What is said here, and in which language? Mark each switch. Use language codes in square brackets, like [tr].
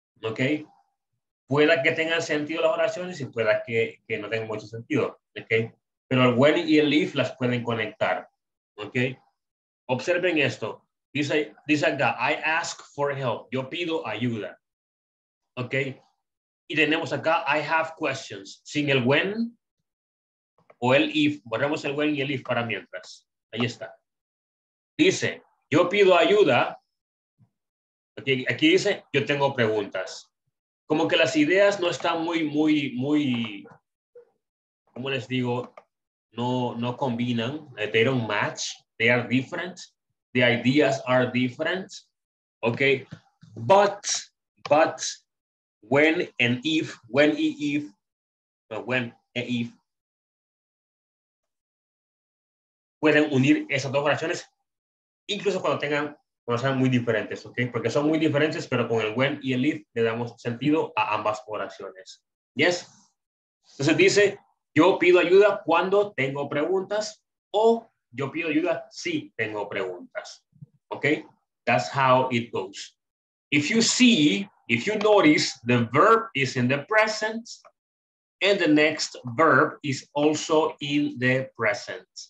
[es] Ok, pueda que tengan sentido las oraciones y pueda que no tengan mucho sentido, ok, pero el when y el if las pueden conectar, ok, observen esto, dice acá, [en] I ask for help, [es] yo pido ayuda, ok, y tenemos acá, [en] I have questions, [es] sin el when o el if, borremos el when y el if para mientras, ahí está, dice, yo pido ayuda. Aquí dice, yo tengo preguntas. Como que las ideas no están muy, muy, muy, ¿cómo les digo? No combinan. [en] They don't match. They are different. The ideas are different. Okay. but when and if, when and if, but when and if. [es] Pueden unir esas dos oraciones, incluso cuando tengan, cuando sean muy diferentes, ¿ok? Porque son muy diferentes, pero con el when y el if le damos sentido a ambas oraciones. ¿Yes? Entonces dice, yo pido ayuda cuando tengo preguntas, o yo pido ayuda si tengo preguntas. [en] ¿Ok? That's how it goes. If you see, if you notice, the verb is in the present, and the next verb is also in the present.